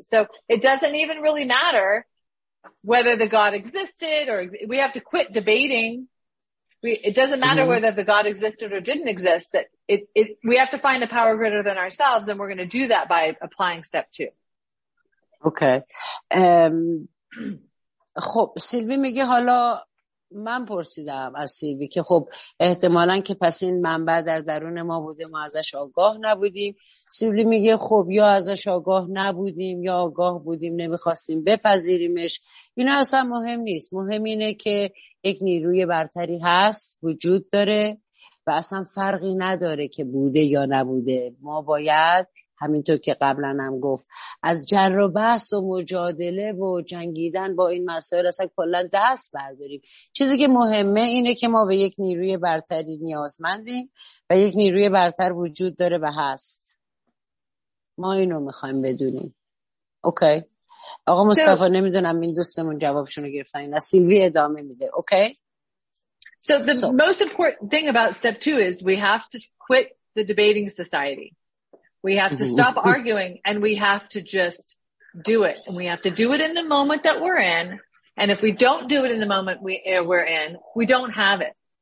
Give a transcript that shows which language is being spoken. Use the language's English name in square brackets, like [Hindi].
[English] So it doesn't even really matter whether the God existed or we have to quit debating. It doesn't matter mm-hmm. whether the God existed or didn't exist. That it we have to find a power greater than ourselves, and we're going to do that by applying step two. Okay. [Persian] خب سیلوی میگه حالا من پرسیدم از سیلوی که خب احتمالاً که پس این منبع در درون ما بوده، ما ازش آگاه نبودیم. سیلوی میگه خب یا ازش آگاه نبودیم یا آگاه بودیم نمیخواستیم بپذیریمش. اینا اصلا مهم نیست. مهم اینه که یک نیروی برتری هست، وجود داره و اصلا فرقی نداره که بوده یا نبوده. ما باید همینطور که قبلا هم گفت از جر و بحث و مجادله و جنگیدن با این مسائل اصلا کلا دست برداریم. چیزی که مهمه اینه که ما به یک نیروی برتری نیازمندیم و یک نیروی برتر وجود داره و هست. ما اینو میخوایم بدونیم. اوکی آقا مصطفی نمیدونم این دوستمون جوابشون رو گرفتن. این از سیلوی ادامه میده. اوکی [English] So the most important thing about step two is we have to quit the debating society. We have to stop arguing and we have to just do it. And we have to do it in the moment that we're in. And if we don't do it in the moment we're in, we don't have it.